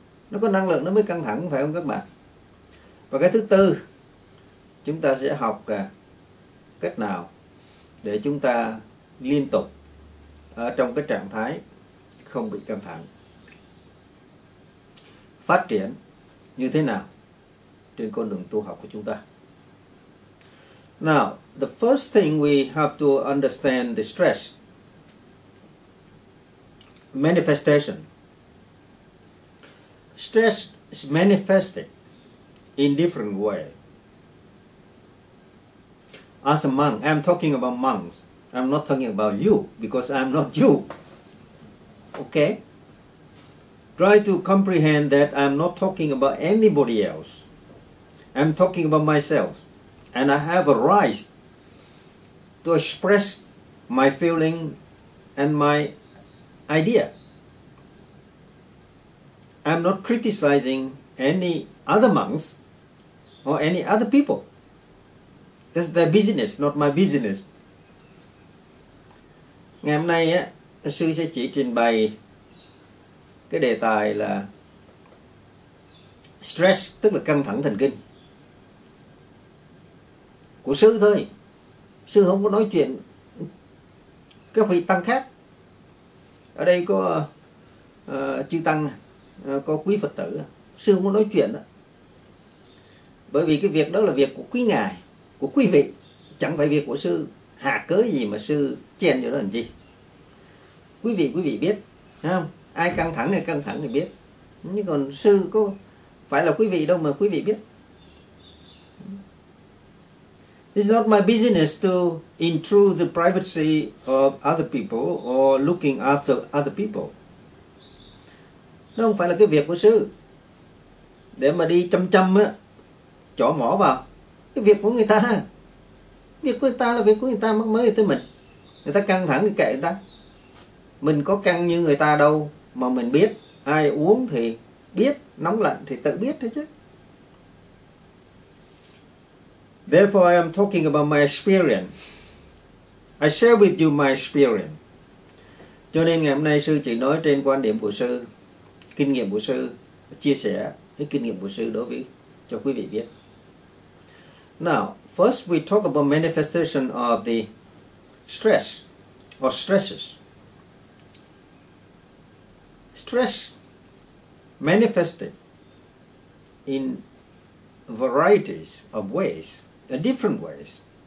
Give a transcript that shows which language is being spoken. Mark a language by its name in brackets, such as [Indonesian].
[Vietnamese] Nó có năng lượng nó mới căng thẳng, phải không các bạn? Và cái thứ tư, chúng ta sẽ học cách nào để chúng ta liên tục ở trong cái trạng thái không bị căng thẳng. Phát triển như thế nào trên con đường tu học của chúng ta? [English] Now, the first thing we have to understand the stress manifestation. Stress is manifested in different way. As a monk, I'm talking about monks. I'm not talking about you because I'm not you. Okay? Try to comprehend that I'm not talking about anybody else. I'm talking about myself. And I have a right to express my feeling and my idea. I'm not criticizing any other monks or any other people. This is their business, not my business. [Vietnamese] Ngày hôm nay á, sư sẽ chỉ trình bày cái đề tài là stress, tức là căng thẳng thần kinh của sư thôi. Sư không có nói chuyện các vị tăng khác. Ở đây có chư tăng, có quý Phật tử, sư không có nói chuyện đó. Bởi vì cái việc đó là việc của quý ngài, của quý vị, chẳng phải việc của sư. Hà cớ gì mà sư chen vào đó làm chi? Quý vị biết, thấy không? Ai căng thẳng thì biết. Nhưng còn sư có phải là quý vị đâu mà quý vị biết. [English] It's not my business to intrude the privacy of other people or looking after other people. [Vietnamese] Nó không phải là cái việc của sư để mà đi chăm chăm á, chỏ mỏ vào cái việc của người ta. Việc của người ta là việc của người ta, mắc mớ gì tới mình. Người ta căng thẳng thì kệ người ta. Mình có căng như người ta đâu mà mình biết. Ai uống thì biết, nóng lạnh thì tự biết thôi chứ. [English] Therefore I am talking about my experience. I share with you my experience. [Vietnamese] Cho nên ngày hôm nay sư chỉ nói trên quan điểm của sư, kinh nghiệm của sư, chia sẻ cái kinh nghiệm của sư đối với cho quý vị biết. [English] Now, first we talk about manifestation of the stress or stresses. Stress manifested in varieties of ways, in different ways.